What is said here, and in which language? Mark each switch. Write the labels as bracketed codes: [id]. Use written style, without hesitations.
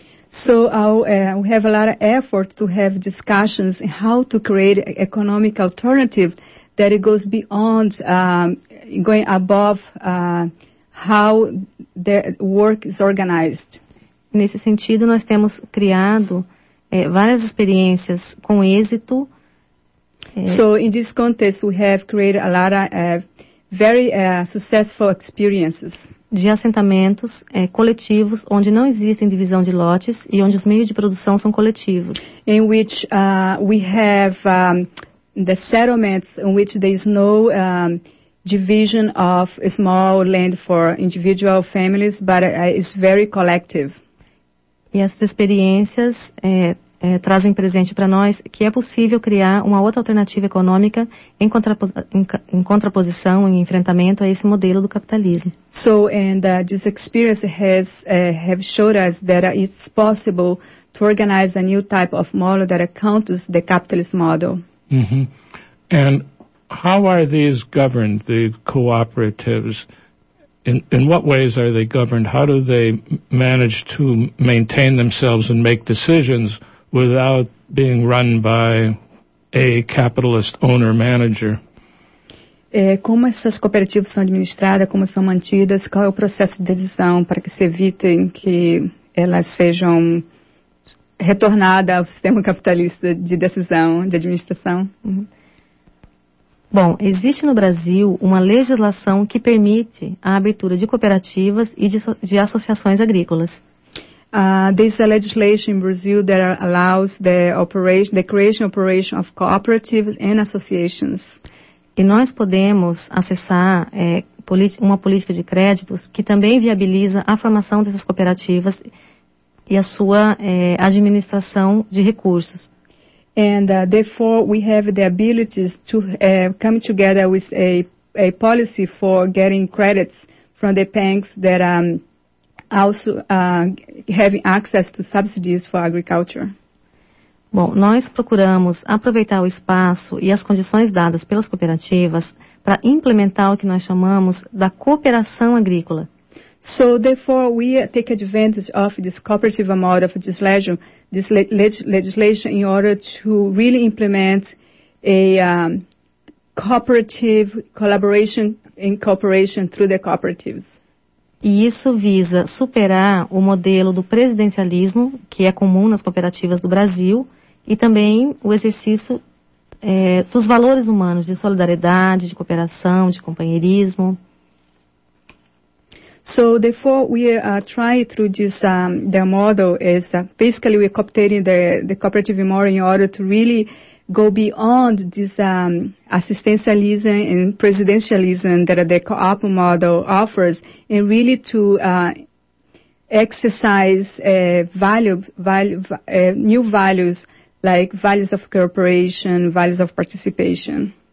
[en] So, we have a lot of effort to have discussions on how to create economic alternatives that it goes beyond, going above how the work is organized. [pt] Nesse sentido, nós temos criado várias experiências com êxito. [en] So, in this context, we have created a lot of very successful experiences. [pt] De assentamentos coletivos, onde não existem divisão de lotes e onde os meios de produção são coletivos. [en] In which we have the settlements in which there is no division of small land for individual families, but it's very collective. [pt] E essas experiências trazem presente para nós que é possível criar uma outra alternativa econômica em contraposição, em enfrentamento a esse modelo do capitalismo. [en] So, and this experience has have showed us that it's possible to organize a new type of model that counters the capitalist model. Mm-hmm. And how are these governed, the cooperatives? In what ways are they governed? How do they manage to maintain themselves and make decisions without being run by a capitalist owner-manager? [pt] Como essas cooperativas são administradas, como são mantidas, qual é o processo de decisão para que se evitem que elas sejam retornadas ao sistema capitalista de decisão, de administração? Uhum. Bom, existe no Brasil uma legislação que permite a abertura de cooperativas e de associações agrícolas. [en] There's a legislation in Brazil that allows the creation and operation of cooperatives and associations. [pt] E nós podemos acessar uma política de créditos que também viabiliza a formação dessas cooperativas e a sua administração de recursos. [en] And therefore we have the abilities to come together with a policy for getting credits from the banks that also having access to subsidies for agriculture. [pt] Bom, nós procuramos aproveitar o espaço e as condições dadas pelas cooperativas para implementar o que nós chamamos da cooperação agrícola. [en] So therefore we take advantage of this cooperative model of this legislation in order to really implement a cooperative collaboration in cooperation through the cooperatives. [pt] E isso visa superar o modelo do presidencialismo, que é comum nas cooperativas do Brasil, e também o exercício dos valores humanos, de solidariedade, de cooperação, de companheirismo. [en] So therefore we try through this the model is basically we're cooperating the cooperative model in order to really go beyond this assistentialism and presidentialism that the co-op model offers and really to exercise new values like values of cooperation, values of participation.